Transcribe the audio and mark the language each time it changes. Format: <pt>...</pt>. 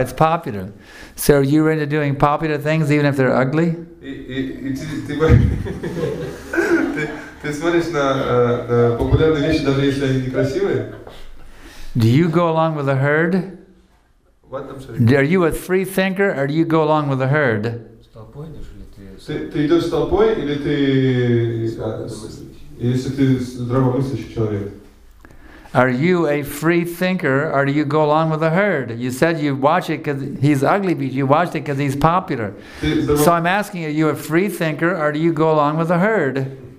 <en>It's popular. So you're into doing popular things even if they're ugly? Do you go along with the herd? What? I'm sorry. Are you a free thinker or do you go along with the herd?</en> <ru>Ты идешь с толпой или ты, если ты здравомыслящий человек?</ru> <en>Are you a free thinker or do you go along with the herd? You said you watch it because he's ugly, but you watched it because he's popular. So I'm asking, are you a free thinker or do you go along with the herd?</en>